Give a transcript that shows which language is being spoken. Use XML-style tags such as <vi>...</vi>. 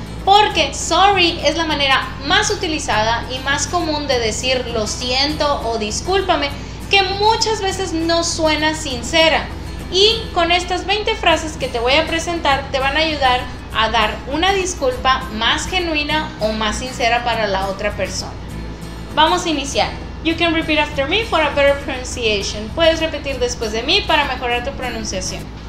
<es>Porque sorry es la manera más utilizada y más común de decir lo siento o discúlpame, que muchas veces no suena sincera. Y con estas 20 frases que te voy a presentar, te van a ayudar a dar una disculpa más genuina o más sincera para la otra persona. Vamos a iniciar.</es> <en>You can repeat after me for a better pronunciation.</en> <es>Puedes repetir después de mí para mejorar tu pronunciación.</es>